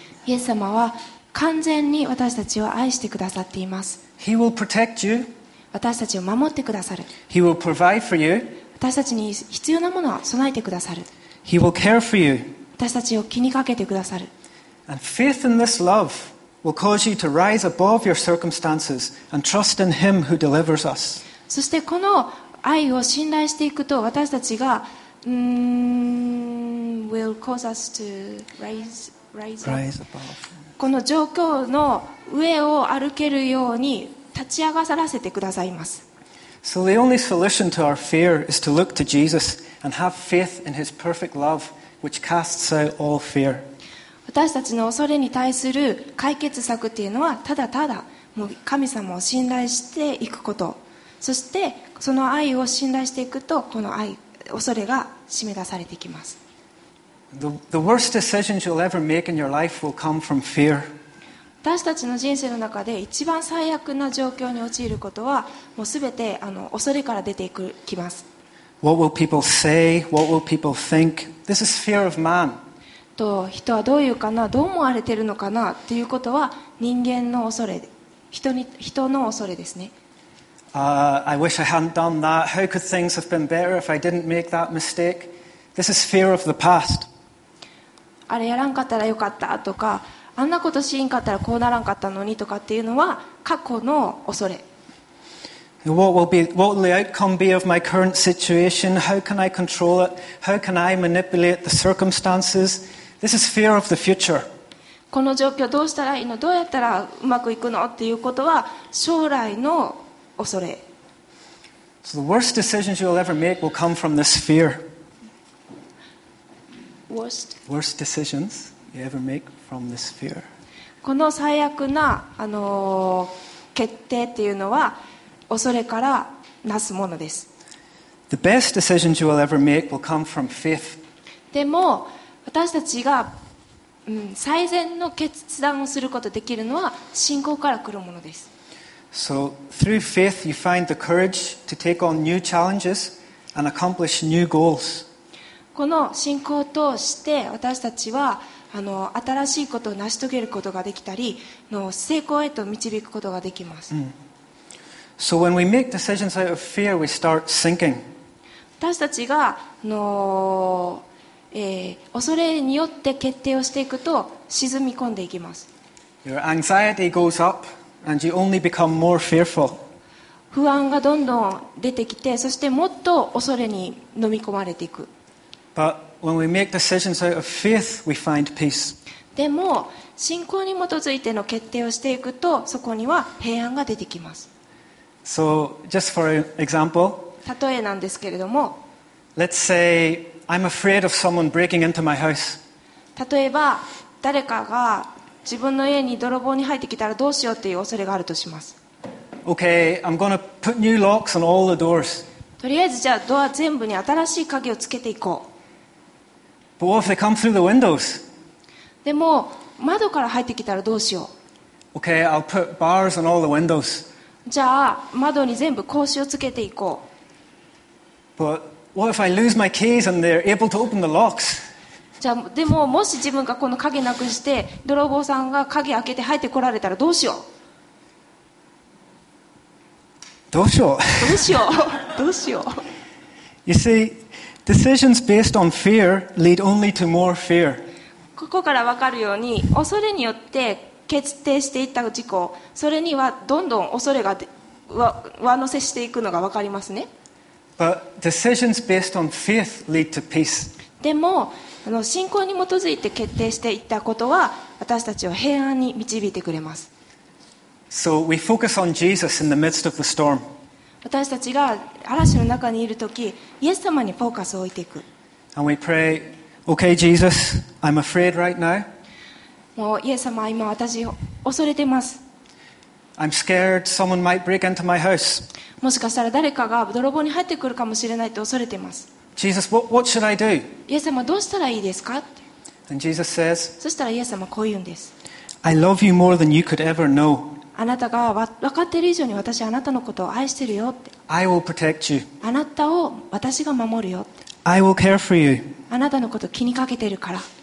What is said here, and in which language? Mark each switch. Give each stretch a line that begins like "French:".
Japanese: イエス様は完全に私たちを愛してくださっています。
English: He will protect you.
Japanese: 私たちを守ってくださる。
English: He will provide for you.
Japanese: 私たちに必要なものを備えてくださる。
English: He will care for you.
Japanese: 私たちを気にかけてくださる。
English: And faith in this love. Will cause you to rise above your circumstances and trust in Him who delivers us.
Japanese: そしてこの愛を信頼していくと私たちが
English: will cause us to rise above.
Japanese: この状況の上を歩けるように立ち上がらせてくださいます。
English: So the only solution to our fear is to look to Jesus and have faith in His perfect love, which casts out all fear.
Japanese: 私たちの恐れに対する解決策というのはただただもう神様を信頼していくこと、そしてその愛を信頼していくとこの愛、恐れが締め出されていきます。
English: The worst decisions you'll ever make in your life will come from fear.
Japanese: 私たちの人生の中で一番最悪な状況に陥ることはもう全て恐れから出てきます。
English: What will people say? What will people think? This is fear of man.
Japanese: 人はどういうかな、どう思われているのかなということは人間の恐れ、人の恐れですね。
English: I wish I hadn't done that. How could things have been better if I didn't make that mistake? This is fear of the past.
Japanese: あれやらんかったらよかったとか、あんなことしんかったらこうならんかったのにとかっていうのは過去の恐れ。
English: What will the outcome be of my current situation? How can I control it? How can I manipulate the circumstances? This is fear of the future.
Japanese: この状況どうしたらいいの、どうやったらうまくいくのっていうことは将来の恐れ。
English: So the worst decisions you'll ever make will come from this fear. Worst decisions you ever make from this fear.
Japanese: この最悪な決定っていうのは恐れからなすものです。
English: The best decisions you will ever make will come from faith.
Japanese: でも私たちが、最善の決断をすることができるのは信仰から来るものです。
English: So, through faith, you find the courage to take on new challenges and accomplish new goals.
Japanese: この信仰を通して私たちは新しいことを成し遂げることができたり、成功へと導くことができます。
English: So, when we make decisions out of fear, we start sinking.
Japanese: 私たちが恐れによって決定をしていくと沈み込んでいきます。
English: Your anxiety goes up and you only become more fearful.
Japanese: 不安がどんどん出てきて、そしてもっと恐れに飲み込まれていく。
English: But when we make decisions out of faith, we find peace.
Japanese: でも信仰に基づいての決定をしていくとそこには平安が出てきます。
English: So just for example,
Japanese: 例えなんですけれども、
English: Let's sayI'm afraid of someone breaking into my house.
Japanese: 例えば誰かが自分の家に泥棒に入ってきたらどうしようっていう恐れがあるとします。
English: Okay, I'm going to put new locks on all the doors.
Japanese: とりあえずじゃあドア全部に新しい鍵をつけていこう。
English: But what if they come through the windows?
Japanese: でも窓から入ってきたらどうしよう。
English: Okay, I'll put bars on all the windows.
Japanese: じゃあ窓に全部格子をつけていこう。
English: ButWhat if I lose my keys and they're able to open the locks?
Japanese: じゃあでももし自分がこの鍵なくして泥棒さんが鍵開けて入ってこられたらどうしよう。どうしよう。どうしよう。どうしよう。
English: You see, decisions based on fear lead only to more fear.
Japanese: ここから分かるように恐れによって決定していった事故、それにはどんどん恐れが上乗せしていくのが分かりますね。
English: But decisions based on faith lead to peace.
Japanese: でも信仰に基づいて決定していったことは私たちを平安に導いてくれます。
English: So we focus on Jesus in the midst of the storm.
Japanese: 私たちが嵐の中にいるとき、イエス様にフォーカスを置いていく。
English: And we pray, Okay, Jesus, I'm afraid right now.
Japanese: もうイエス様、今私恐れてます。
English: I'm scared someone might break into my house.
Japanese: もしかしたら誰かが泥棒に入ってくるかもしれないと恐れています。
English: Jesus, what should I do?
Japanese: イエス様どうしたらいいですか？
English: And Jesus says,
Japanese: そしたらイエス様こう言うんです。
English: I love you more than you could ever know.
Japanese: あなたが分かっている以上に私はあなたのことを愛しているよって。
English: I will protect you.
Japanese: あなたを私が守るよって。
English: I will care for you.
Japanese: あなたのことを気にかけているから。